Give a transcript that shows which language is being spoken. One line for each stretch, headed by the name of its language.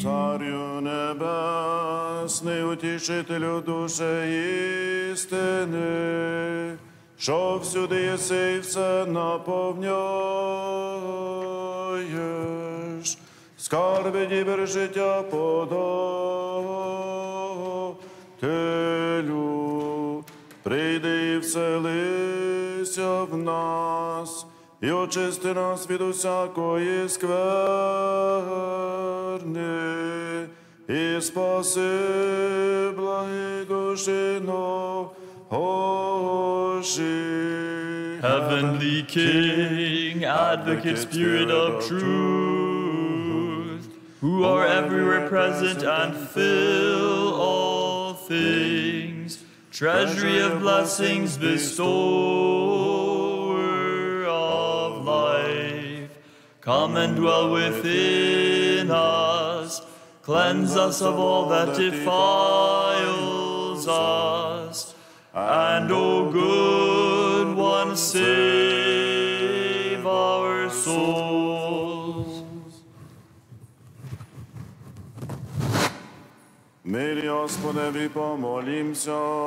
Ukrainian: Царю небесний, утішителю душі істини, що всюди єси і все наповнюєш, скарби дібер життя подателю, прийди і вселися в нас, і очисти нас від усякої скверни, і спаси благодушно, Божи.
English: Heavenly King, Advocate, Spirit of Truth, who are everywhere present and fill all things, treasury of blessings, bestower of life, come and dwell within us, cleanse us of all that defiles us, and O good one, save our souls.
Ukrainian: Милі Господи, помолімся.